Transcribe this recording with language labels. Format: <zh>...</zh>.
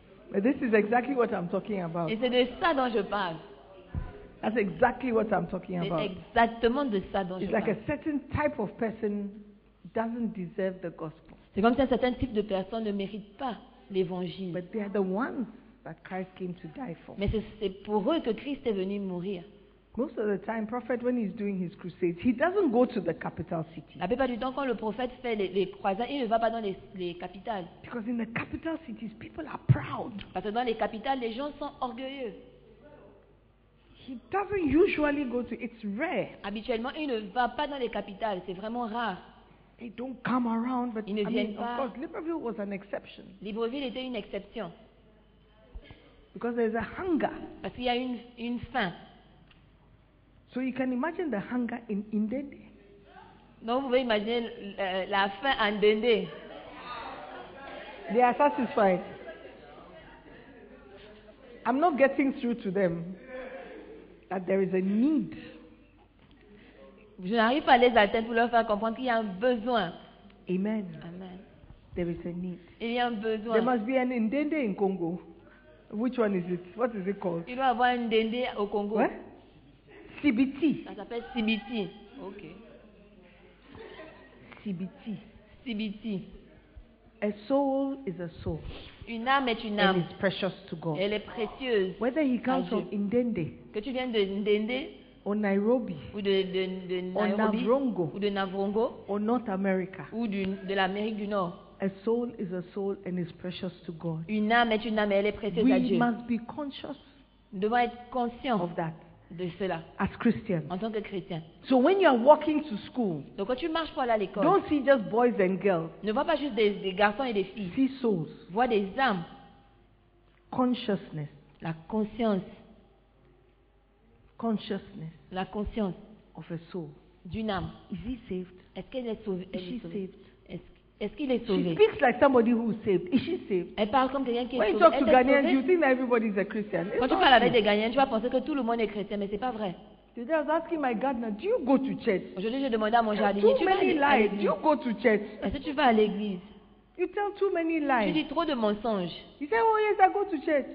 <en>But this is exactly what I'm talking about.</en> <fr>Et c'est de ça dont je parle.</fr> <en>That's exactly what I'm talking about.</en> <fr>Exactement de ça dont</fr> <en>it's</en> <fr>je</fr> <en>like</en> <fr>parle.</fr> <en>A certain type of person doesn't deserve the gospel.</en> <fr>C'est comme si un certain type de personne ne mérite pas l'évangile.</fr> <en>But they are the ones that Christ came to die for.</en> <fr>Mais c'est pour eux que Christ est venu mourir.</fr> <en>Most of the time, prophet, when he's doing his crusades, he doesn't go to the capital city.</en> <fr>La plupart du temps, quand le prophète fait les croisades, il ne va pas dans les capitales.</fr> <en>Because in the capital cities, people are proud.</en> <fr>Parce que dans les capitales, les gens sont orgueilleux.</fr> <en>He doesn't usually go to. It's rare.</en> <fr>Habituellement, il ne va pas dans les capitales. C'est vraiment rare.</fr> <en>They don't come around, but</en> <fr>ils ne viennent pas.</fr> <en>Of course, Libreville was an exception.</en> <fr>Libreville était une exception.</fr> <en>Because there's a hunger.</en> <fr>Parce qu'il y a une faim.</fr> <en>So you can imagine the hunger in Ndende.</en> <fr>Non, vous pouvez imaginer la faim en Ndende.</fr> <en>They are satisfied. I'm not getting through to them that there is a need.</en> <fr>Je n'arrive pas à les atteindre pour leur faire comprendre qu'il y a un besoin. Amen. Amen.</fr> <en>There is a need.</en> <fr>Il y a un besoin.</fr> <en>There must be an Ndende in Congo. Which one is it? What is it called?</en> <fr>Il doit avoir un Ndende au Congo.</fr> <en>What? CBT.</en> <fr>Ça s'appelle CBT. OK. CBT. CBT.</fr> <en>A soul is a soul.</en> <fr>Une âme est une âme.</fr> <en>It is precious to God.</en> <fr>Elle est précieuse.</fr> <en>Whether he comes from Ndende.</en> <fr>Que tu viennes de Ndende.</fr> <en>Or Nairobi.</en> <fr>Ou de Nairobi.</fr> <en>Or Navrongo.</en> <fr>Ou de Navrongo.</fr> <en>Or North America.</en> <fr>Ou de l'Amérique du Nord.</fr> <en>A soul is a soul and is precious to God.</en> <fr>Une âme est une âme et elle est précieuse</fr> <en>we</en> <fr>à Dieu.</fr> <en>We must be conscious.</en> <fr>Nous devons être conscients</fr> <en>of that.</en> <fr>De cela.</fr> <en>As Christian.</en> <fr>En tant que chrétien.</fr> <en>So when you are walking to school,</en> <fr>donc quand tu marches pour aller à l'école,</fr> <en>don't see just boys and girls.</en> <fr>Ne vois pas juste des garçons et des filles.</fr> <en>See souls.</en> <fr>Vois des âmes.</fr> <en>Consciousness.</en> <fr>La conscience.</fr> <en>Consciousness.</en> <fr>La conscience.</fr> <en>Of a soul.</en> <fr>D'une âme.</fr> <en>Is he saved?</en> <fr>Est-ce qu'elle est sauvée?</fr> <en>Is she saved?</en> <fr>Est-ce qu'il est sauvé?</fr> <en>She speaks like somebody who is saved. Is she saved?</en> <fr>Elle parle comme quelqu'un qui est</fr> <en>when</en> <fr>sauvé.</fr> <en>When you talk to Ghanaians, you think that everybody is a Christian. It's</en> <fr>quand tu parles avec des Ghanaians, tu vas penser que tout le monde est chrétien, mais c'est pas vrai.</fr> <en>Today I was asking my gardener, do you go to church?</en> <fr>Aujourd'hui, je demandais à mon jardinier, tu vas à l'église?</fr> <en>Too many lies. Do you go to church?</en> <fr>Est-ce que tu vas à l'église?</fr> <en>You tell too many lies.</en> <fr>Tu dis trop de mensonges.</fr> <en>You say, oh yes, I go to church.</en>